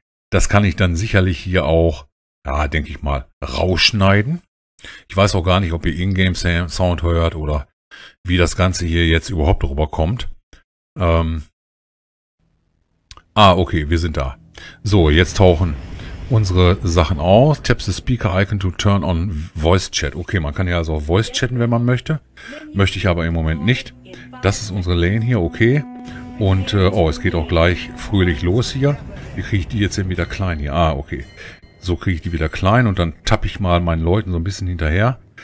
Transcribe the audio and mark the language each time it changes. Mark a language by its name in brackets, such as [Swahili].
[German] Das kann ich dann sicherlich hier auch, ja, denke ich mal, rausschneiden. Ich weiß auch gar nicht, ob ihr Ingame-Sound hört oder wie das Ganze hier jetzt überhaupt rüberkommt. Okay, wir sind da. So, jetzt tauchen unsere Sachen auf. [English] Tap the speaker icon to turn on voice chat. [German] Okay, man kann ja also auch voice chatten, wenn man möchte. Möchte ich aber im Moment nicht. Das ist unsere Lane hier, okay. Und, es geht auch gleich fröhlich los hier. Wie kriege ich die jetzt denn wieder klein hier? Ah, okay. So kriege ich die wieder klein und dann tappe ich mal meinen Leuten so ein bisschen hinterher.